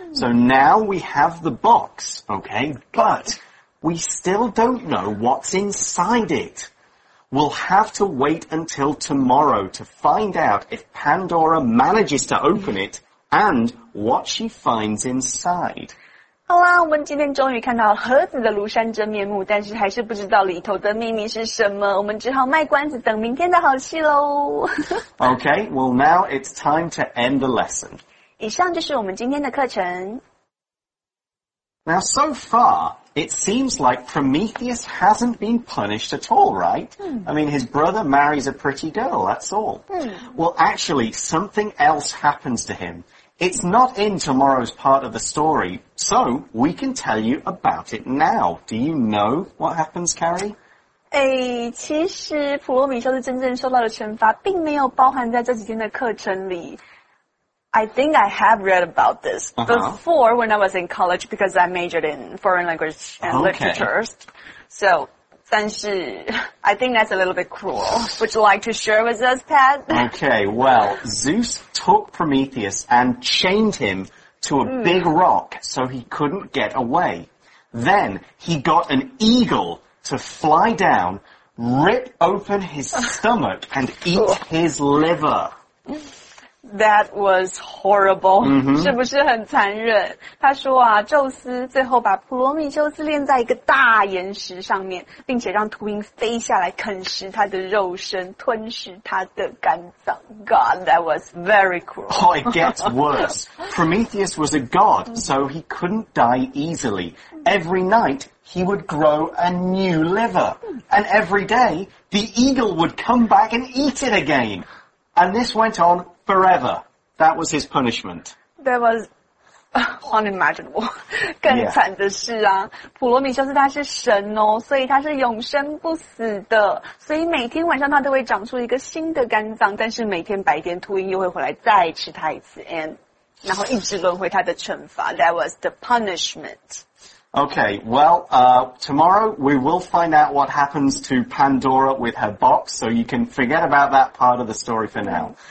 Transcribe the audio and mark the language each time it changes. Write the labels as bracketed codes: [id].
[en] So now we have the box, okay, but... We still don't know what's inside it. We'll have to wait until tomorrow to find out if Pandora manages to open it and what she finds inside. [zh] 好啦，我们今天终于看到盒子的庐山真面目，但是还是不知道里头的秘密是什么，我们只好卖关子等明天的好戏咯。 [en] Okay, well now it's time to end the lesson. [zh] 以上就是我们今天的课程。 [en] Now so far... It seems like Prometheus hasn't been punished at all, right? I mean, his brother marries a pretty girl, that's all. Well, actually, something else happens to him. It's not in tomorrow's part of the story, so we can tell you about it now. Do you know what happens, Carrie? [zh] 欸、其实普罗米修斯真正受到的惩罚并没有包含在这几天的课程里。 [en] I think I have read about this before when I was in college because I majored in foreign language and literature. So, 但是 I think that's a little bit cruel. Would you like to share with us, Pat? Okay, well, Zeus took Prometheus and chained him to a big rock so he couldn't get away. Then he got an eagle to fly down, rip open his stomach and eat his liver. That was horrible. 是不是很残忍？ [zh] 他说啊，宙斯最后把普罗米修斯链在一个大岩石上面，并且让秃鹰飞下来啃食他的肉身，吞噬他的肝脏。 [en] God, that was very cruel. Oh, it gets worse. Prometheus was a god, so he couldn't die easily. Every night, he would grow a new liver. And every day, the eagle would come back and eat it again. And this went onForever. That was his punishment. That was unimaginable. [zh] 更惨的是啊，普罗米修斯他是神哦，所以他是永生不死的，所以每天晚上他都会长出一个新的肝脏，但是每天白天秃鹰又会回来再吃他一次 ， and 然后一直轮回他的惩罚。 [en] That was the punishment. Okay, well, tomorrow we will find out what happens to Pandora with her box, so you can forget about that part of the story for now.